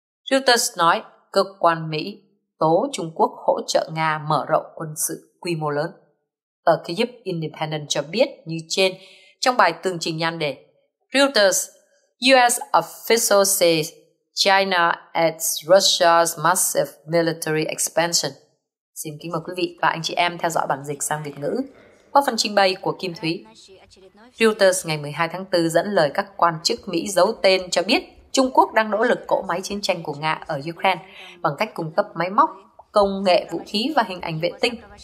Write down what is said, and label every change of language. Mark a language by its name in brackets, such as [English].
[Vietnamese] Reuters nói, cơ quan Mỹ tố Trung Quốc hỗ trợ Nga mở rộng quân sự quy mô lớn. Tờ Kyiv Independent cho biết như trên trong bài tường trình nhan đề. [English] Reuters, US official says China adds Russia's massive military expansion. [Vietnamese] Xin kính mời quý vị và anh chị em theo dõi bản dịch sang Việt ngữ qua phần trình bày của Kim Thúy. Reuters ngày 12 tháng 4 dẫn lời các quan chức Mỹ giấu tên cho biết Trung Quốc đang nỗ lực cỗ máy chiến tranh của Nga ở Ukraine bằng cách cung cấp máy móc, công nghệ vũ khí và hình ảnh vệ tinh.